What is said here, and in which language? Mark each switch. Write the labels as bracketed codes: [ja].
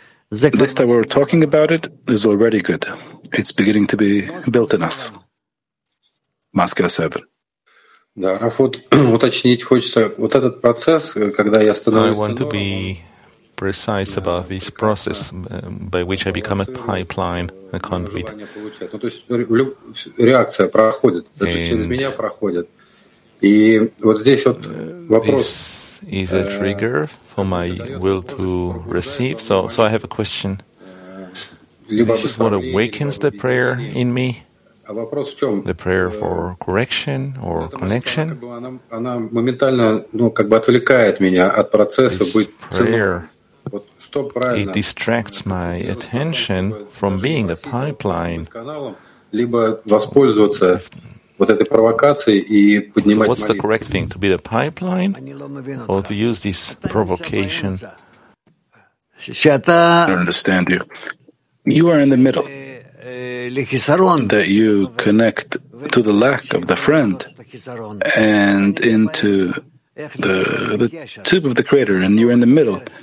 [en] This that we're talking about it is already good. It's beginning to be built in us. Moscow 7. [ru] Да, Раф, вот уточнить хочется вот этот процесс, когда я становлюсь. [en] I want to be precise about this process by which I become a pipeline, a conduit. [ru] Ну, то есть реакция проходит, даже через меня проходит. И вот здесь вот вопрос. [en] This is a trigger for my will to receive. So I have a question. This is what awakens the prayer in me. [ru] А вопрос в чем? [en] The prayer for correction or connection. [ru] Она моментально, ну, как бы отвлекает меня от процесса быть. [en] It distracts my attention from being a pipeline. [ru] Либо воспользоваться вот этой провокацией и поднимать. [en] So what's the correct thing? To be the pipeline or to use this provocation? I don't understand you. You are in the middle. That you connect to the lack of the friend and into the tube of the creator, and you're in the middle.